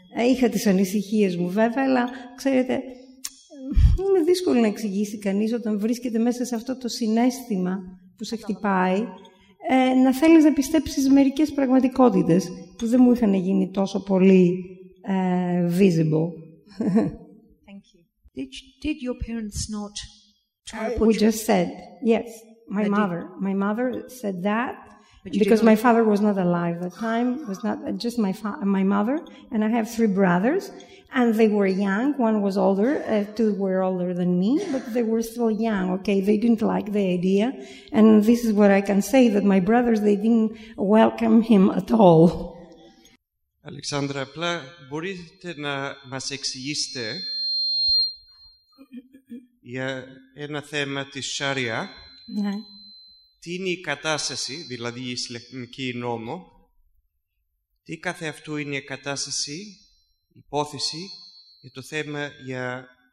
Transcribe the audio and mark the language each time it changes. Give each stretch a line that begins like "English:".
Greek: Είχα τις ανησυχίες μου βέβαια, αλλά ξέρετε, είναι δύσκολο να εξηγήσει κανείς όταν βρίσκεται μέσα σε αυτό το συναίσθημα που σε χτυπάει, να θέλεις να πιστέψεις μερικές πραγματικότητες που δεν μου είχαν γίνει τόσο πολύ visible.
English: Did your parents not try to put you? We just said, yes, my mother. Did. My mother said that because my father was not alive at the time. It was not just my mother. And I have 3 brothers, and they were young. One was older, 2 were older than me, but they were still young. Okay, they didn't like the idea. And this is what I can say, that my brothers, they didn't welcome him at all.
Greek: Alexandra, απλά μπορείτε να μας εξηγήσετε για ένα θέμα της Σάρια, τι είναι η κατάσταση, δηλαδή η Ισλαμική νόμο, τι κάθε αυτού είναι η κατάσταση, υπόθεση για το θέμα για